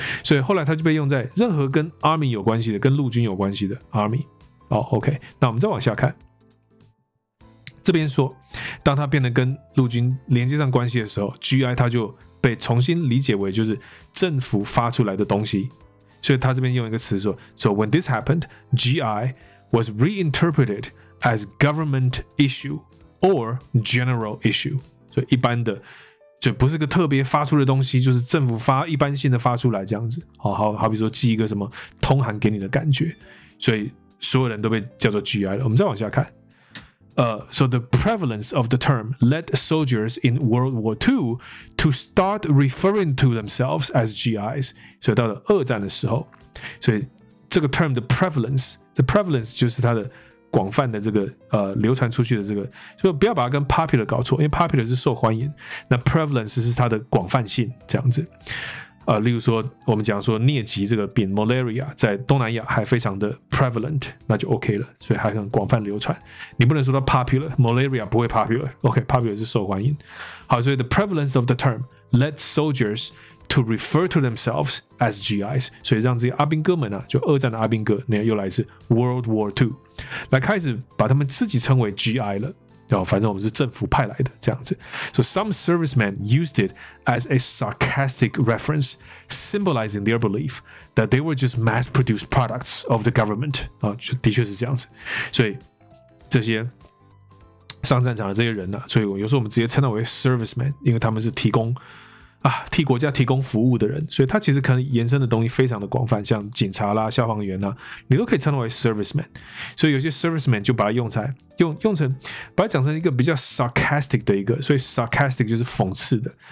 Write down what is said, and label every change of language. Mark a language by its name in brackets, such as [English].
[Chinese] 所以后来它就被用在任何跟 Army 有关系的、跟陆军有关系的 Army， 好、OK， 那我们再往下看，这边说，当它变得跟陆军连接上关系的时候 ，GI 它就被重新理解为就是政府发出来的东西。所以他这边用一个词说 [English] ，So when this happened, GI was reinterpreted as government issue or general issue。 [Chinese] 所以一般的，就不是个特别发出的东西，就是政府发一般性的发出来这样子。好比说寄一个什么通函给你的感觉，所以所有人都被叫做 GI 了。我们再往下看。 [English] So the prevalence of the term led soldiers in World War II to start referring to themselves as GIs. [Chinese] 所以到了二战的时候，所以这个 term 的 prevalence， 这 prevalence 就是它的广泛的这个流传出去的这个，所以不要把它跟 popular 搞错，因为 popular 是受欢迎，那 prevalence 是它的广泛性这样子。例如说我们讲说疟疾这个病 malaria 在东南亚还非常的 prevalent， 那就 OK 了，所以还很广泛流传，你不能说它 popular， malaria 不会 popular， OK， popular 是受欢迎。好，所以 [English] the prevalence of the term led soldiers to refer to themselves as GIs， [Chinese] 所以让这些阿兵哥们啊，就二战的阿兵哥，那又来自 World War II 来开始把他们自己称为 GI 了，反正我们是政府派来的这样子。 [English] So some servicemen used it as a sarcastic reference, symbolizing their belief that they were just mass-produced products of the government. [Chinese] 的确是这样子。所以这些上战场的这些人呢、啊，所以有时候我们直接称他为 servicemen， 因为他们是提供啊替国家提供服务的人。所以他其实可能延伸的东西非常的广泛，像警察啦、消防员啦，你都可以称他为 servicemen。所以有些 servicemen 就把它用在。用成把它讲成一个比较 sarcastic 的一个，所以 sarcastic 就是讽刺的。